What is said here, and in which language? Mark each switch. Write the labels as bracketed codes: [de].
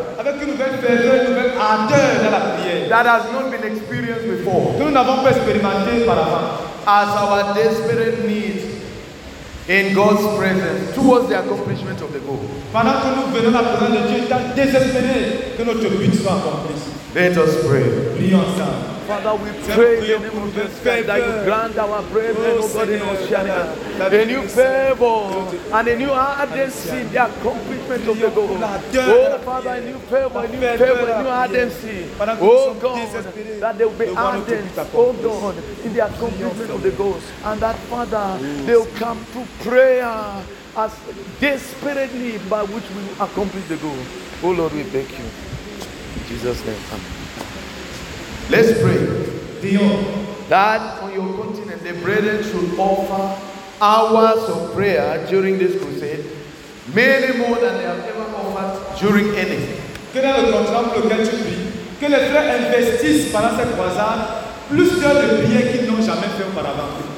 [fr] Avec une nouvelle ferveur, une nouvelle ardeur dans la prière. [en] That has not been experienced before. [fr] Que nous n'avons pas expérimenté par avant. [en] As our desperate needs in God's presence towards the accomplishment of the goal. [fr] Pendant que nous venons à la présence de Dieu, tant désespéré que notre but soit accompli. [en] Let us pray. [fr] Prions ensemble. [en] Father, we pray in the name of Jesus Christ that you grant our brethren, oh God, in Oceania, a new favor and a new ardency in the accomplishment of the goal. Oh, Father, a new favor, a new ardency. Oh, God, that they will be ardent, oh God, in the accomplishment of the goal. And that, Father, they will come to prayer as desperately by which we accomplish the goal. Oh, Lord, we thank you. In Jesus' name, amen. Let's pray. Dion. That on your continent the brethren should offer hours of prayer during this crusade, many more than they have ever offered during any. [fr] Que dans le continent pour lequel tu pries, que les frères investissent pendant cette croisade plus d'heures de prière qu'ils n'ont jamais fait auparavant.